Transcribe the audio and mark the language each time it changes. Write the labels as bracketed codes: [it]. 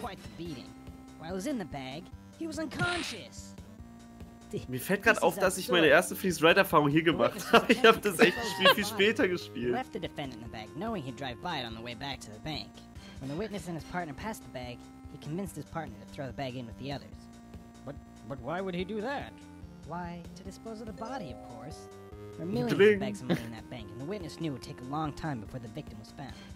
[en] While I was in the bag, he was unconscious. [de] Mir fällt gerade auf, dass ich meine erste Freeze-Ride-Erfahrung hier gemacht habe. Ich habe das echt viel später gespielt. [en] Left the defendant in the bag, knowing he'd drive by it on the way back to the bank. When the witness and his partner passed the bag, he convinced his partner to throw the bag in with the others. But why would he do that? Why, to dispose of the body, of course. There were millions of bags of money in that bank, and the witness knew it would take a long time before the victim was found.